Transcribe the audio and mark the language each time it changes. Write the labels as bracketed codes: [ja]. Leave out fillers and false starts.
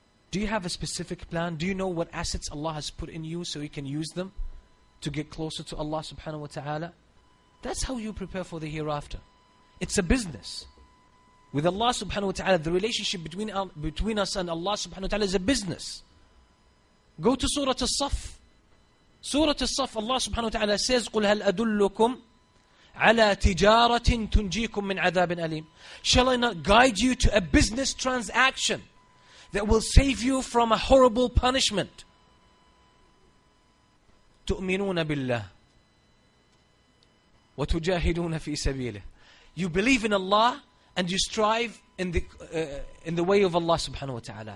[en] Do you have a specific plan? Do you know what assets Allah has put in you so you can use them to get closer to Allah subhanahu wa ta'ala? That's how you prepare for the hereafter. It's a business. With Allah subhanahu wa ta'ala, the relationship between us and Allah subhanahu wa ta'ala is a business. Go to Surah As-Saff. Surah As-Saff, Allah subhanahu wa ta'ala says, [ar] قُلْ هَلْ أَدُلُّكُمْ عَلَىٰ تِجَارَةٍ تُنْجِيكُمْ مِنْ عَذَابٍ أَلِيمٍ. [en] Shall I not guide you to a business transaction that will save you from a horrible punishment? [ar] تُؤْمِنُونَ بِاللَّهِ وَتُجَاهِدُونَ فِي سَبِيلِهِ. [en] You believe in Allah and you strive in the way of Allah subhanahu wa ta'ala.